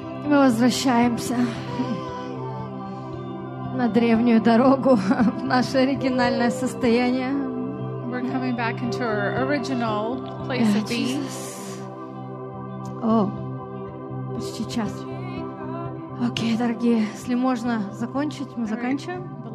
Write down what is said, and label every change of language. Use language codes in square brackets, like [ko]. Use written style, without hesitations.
[ru] Мы возвращаемся на древнюю дорогу в наше оригинальное состояние. [en] We're coming back into our original place of being. [ru] О, почти час. Окей, дорогие, если можно закончить, мы заканчиваем.